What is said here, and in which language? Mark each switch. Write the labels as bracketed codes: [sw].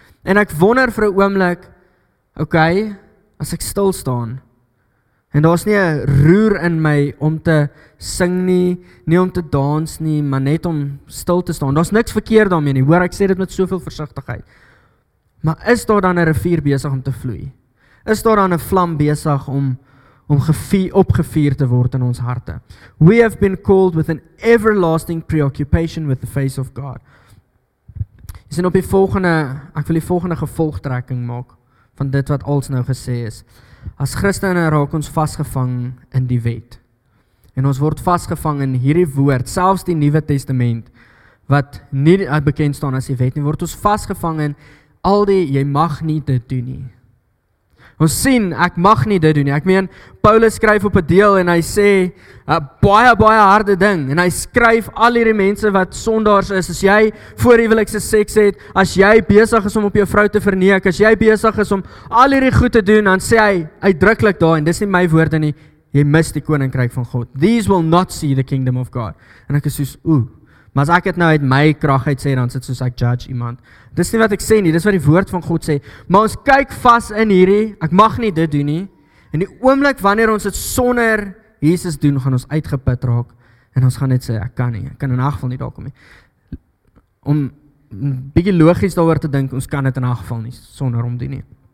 [af] En ek wonder vir 'n oomblik, okay, as ek stilstaan, en daar's nie 'n roer in my om te sing nie, nie om te dans nie, maar net om stil te staan. Daar's niks verkeerd daarmee nie. Hoor, ek sê dit met soveel versigtigheid. Maar is daar dan 'n rivier besig om te vloei? Is daar dan 'n vlam besig om opgevuur te word in ons harte? [en] We have been called with an everlasting preoccupation with the face of God. [af] Is en op die volgende, ek wil die volgende gevolgtrekking maak van dit wat als nou gesê is. As Christene raak ons vasgevang in die wet. En ons word vasgevang in hierdie woord, selfs die Nuwe Testament, wat nie bekend staan as die wet nie, word ons vasgevang in al die, jy mag nie dit doen nie. Ons sien, ek mag nie dit doen nie. Ek meen, Paulus skryf op 'n deel en hy sê, baie harde ding, en hy skryf al hierdie mense wat sondaars is, as jy voorhuwelikse seks het, as jy besig is om op jou vrou te verneek, as jy besig is om al hierdie goed te doen, dan sê hy uitdruklik daar, en dis nie my woorde nie, jy mis die koninkryk van God. [en] These will not see the kingdom of God. [af] En ek is soos, maar as ek het nou uit my krag uit sê, dan sit soos ek judge iemand. Dis nie wat ek sê nie, dis wat die woord van God sê. Maar ons kyk vas in hierdie, ek mag nie dit doen nie. En die oomblik wanneer ons het sonder Jesus doen, gaan ons uitgeput raak. En ons gaan net sê, ek kan nie, ek kan in geval nie daar kom nie. Om bietjie logies daar te dink, ons kan dit in geval nie, sonder om doen nie.